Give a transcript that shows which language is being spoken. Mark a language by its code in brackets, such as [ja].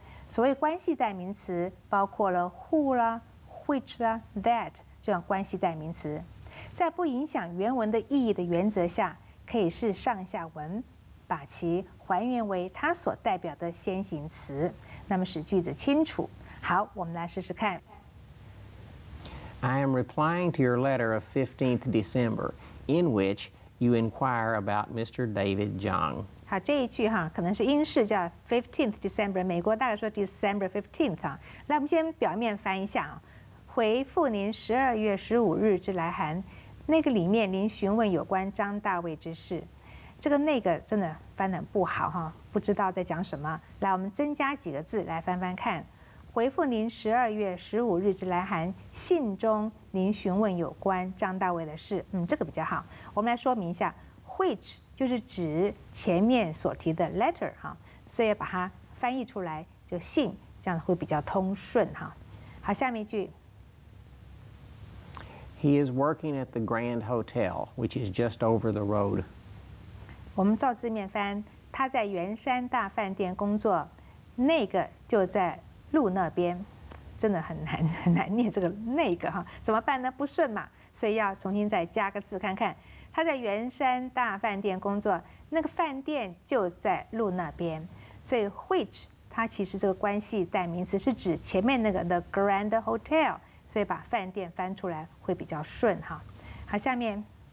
[zh] 所谓关系代名词，包括了 who 啦、which 啦、that 这样关系代名词，在不影响原文的意义的原则下，可以是上下文，把其还原为它所代表的先行词，那么使句子清楚。好，我们来试试看。 [en] I am replying to your letter of 15th December, in which. You inquire about Mr. David Zhang. [zh] 好，这一句哈，可能是英式叫 15th December， 美国大概说 December 15th 啊。那我们先表面翻一下啊，回复您12月15日之来函，那个里面您询问有关张大卫之事。这个那个真的翻得不好哈，不知道在讲什么。来，我们增加几个字来翻翻看，回复您12月15日之来函，信中。您询问有关张大卫的事，嗯，这个比较好。我们来说明一下 ，which 就是指前面所提的 letter 哈，所以把它翻译出来就信，这样会比较通顺哈。好，下面一句。 [en] He is working at the Grand Hotel, which is just over the road. [zh] 我们照字面翻，他在圆山大饭店工作，那个就在路那边。真的很难念这个那个哈，怎么办呢？不顺嘛，所以要重新再加个字看看。他在圆山大饭店工作，那个饭店就在路那边，所以 which 它其实这个关系代名词是指前面那个 the Grand Hotel， 所以把饭店翻出来会比较顺哈。好，下面。